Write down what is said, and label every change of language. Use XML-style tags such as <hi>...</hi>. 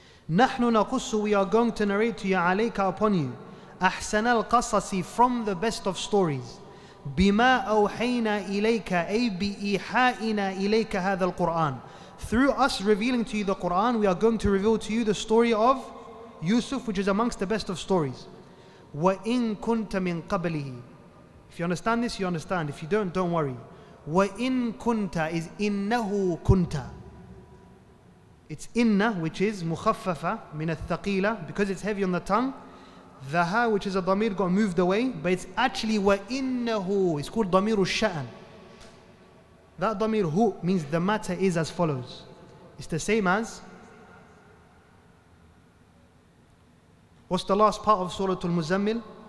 <ar>نَحْنُ نَقُصُّ,</ar> <en>we are going to narrate to you,</en> <ar>عَلَيْكَ,</ar> <en>upon you,</en> <ar>أَحْسَنَ الْقَصَصِ,</ar> <en>from the best of stories,</en> <ar>بِمَا أَوْحَيْنَا إِلَيْكَ, أي بِإِحَائِنَا إِلَيْكَ هَذَا الْقُرْآنِ.</ar> <en>Through us revealing to you the Quran, we are going to reveal to you the story of Yusuf, which is amongst the best of stories.</en> <ar>وَإِنْ كُنْتَ مِنْ قَبْلِهِ.</ar> <en>If you understand this, you understand. If you don't worry.</en> <ar>وَإِنْ كُنْتَ is إِنَّهُ كُنْتَ.</ar> <en>It's inna, which is</en> <ar>مُخَفَّفَ من الثقيلة,</ar> <en>because it's heavy on the tongue. The ha, which is a dhamir, got moved away, but it's actually وَإِنَّهُ, it's called dhamiru sha'an. That dhamir hu means the matter is as follows. It's the same as, what's the last part of Surah Al-Muzammil?</en>